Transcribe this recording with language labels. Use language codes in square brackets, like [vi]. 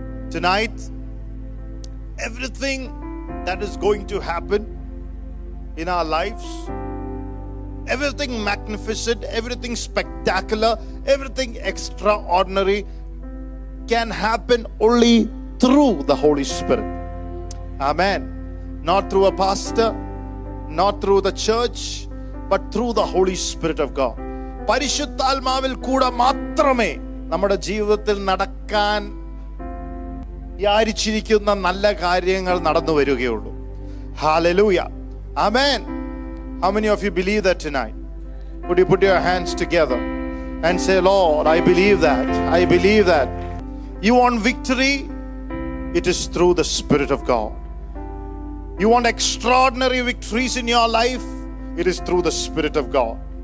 [en] Tonight, everything that is going to happen in our lives, everything magnificent, everything spectacular, everything extraordinary can happen only through the Holy Spirit. Amen. Not through a pastor, not through the church, but through the Holy Spirit of God. [ml] പരിശുദ്ധാത്മാവിൽ കൂടെ മാത്രമേ നമ്മുടെ ജീവിതത്തിൽ നടക്കാൻ വിചാരിച്ചിരിക്കുന്ന നല്ല കാര്യങ്ങൾ നടന്നു വരികയുള്ളൂ. [en] ഹല്ലേലൂയ. ആമേൻ. How many of you believe that tonight? Would you put your hands together and say, Lord, I believe that. I believe that. You want victory? It is through the Spirit of God. You want extraordinary victories in your life? It is through the Spirit of God.